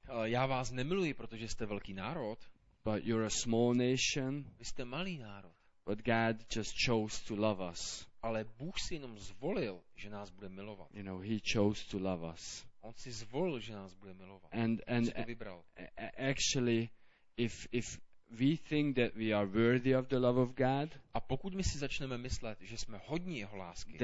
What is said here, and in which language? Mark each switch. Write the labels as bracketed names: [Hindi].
[Czech] Já vás nemiluji, protože jste velký národ. [English] But you're a small nation. [Czech] Vy jste malý národ. [English] But God just chose to love us. [Czech] Ale Bůh si jenom zvolil, že nás bude milovat. [English] You know, he chose to love us. [Czech] On si zvolil, že nás bude milovat. [English] And [Czech] on si to vybral. [English] Actually, if we think that we are worthy of the love of God, [Czech] a pokud my si začneme myslet, že jsme hodní jeho lásky,